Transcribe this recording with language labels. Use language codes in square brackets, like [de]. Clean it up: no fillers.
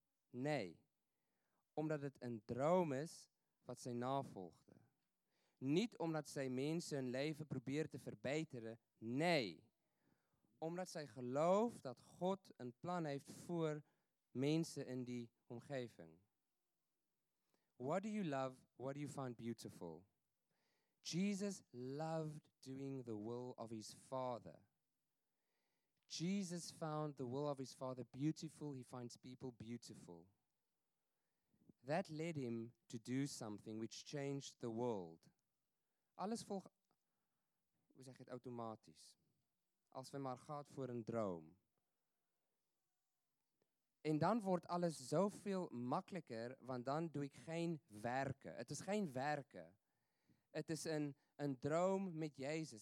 [nl] Nee, omdat het een droom is wat zij navolgde. Niet omdat zij mensen hun leven probeert te verbeteren. Nee, omdat zij gelooft dat God een plan heeft voor mensen in die omgeving. [en] What do you love? What do you find beautiful? Jesus loved doing the will of his Father. Jesus found the will of his Father beautiful. He finds people beautiful. That led him to do something which changed the world. [nl] Alles volgt, hoe zeg je het, automatisch. Als we maar gaan voor een droom. En dan wordt alles zoveel makkelijker, want dan doe ik geen werken. Het is geen werken. Het is een droom met Jezus.